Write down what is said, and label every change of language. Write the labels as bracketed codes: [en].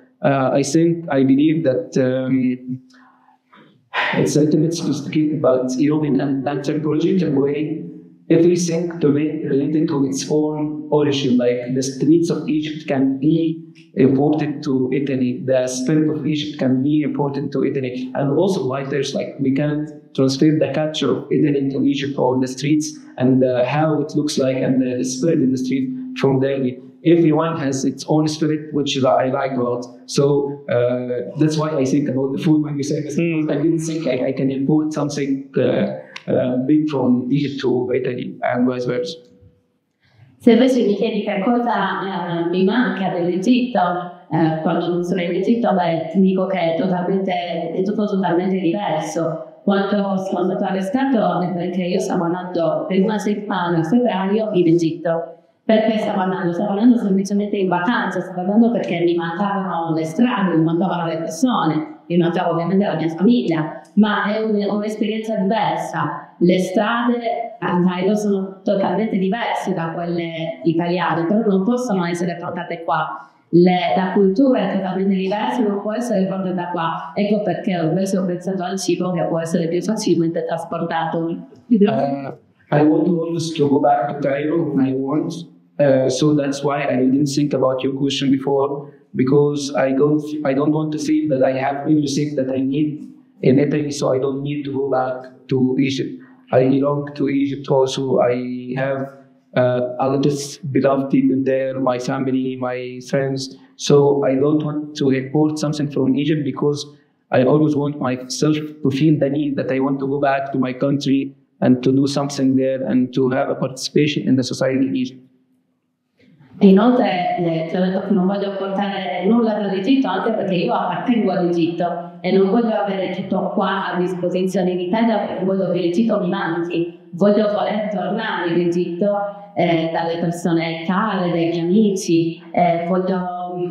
[en] I believe that it's a little bit sophisticated, but even in a technological way, everything to be related to its own origin, like the streets of Egypt can be imported to Italy, the spirit of Egypt can be imported to Italy, and also writers, like, we can transfer the culture of Italy to Egypt on the streets, and how it looks like, and the spirit in the street from there. Everyone has its own spirit, which I like a lot. So that's why I think about the food when you say this. Mm. I didn't think I can import something big from Egypt to Italy and vice versa. [it] Se invece mi chiedi che cosa mi manca dell'Egitto, quando non sono in Egitto, beh, dico che è tutto totalmente diverso. Quando sono stato arrestato, perché io stavo andando per una settimana a febbraio in Egitto. Perché stavo andando? Stavo andando semplicemente in vacanza, stavo andando perché mi mancavano le strade, mi mancavano le persone, mi mancava ovviamente la mia famiglia, ma è un'esperienza diversa. Le strade a Cairo sono totalmente diverse da quelle italiane, però non possono essere portate qua. La cultura è totalmente diversa, non può essere portata qua. Ecco perché invece ho pensato al cibo, che può essere più facilmente trasportato. [en] I want always to go back to Cairo when I want. So that's why I didn't think about your question before, because I don't want to feel that I have everything that I need in Italy, so I don't need to go back to Egypt. I belong to Egypt also. I have a lot of beloved people there, my family, my friends. So I don't want to import something from Egypt, because I always want myself to feel the need that I want to go back to my country and to do something there and to have a participation in the society in Egypt. [it] Inoltre, ti ho detto che non voglio portare nulla dall'Egitto, anche perché io appartengo all'Egitto e non voglio avere tutto qua a disposizione in Italia, perché voglio che l'Egitto mi manchi. Voglio voler tornare in Egitto dalle persone care, dai miei amici, voglio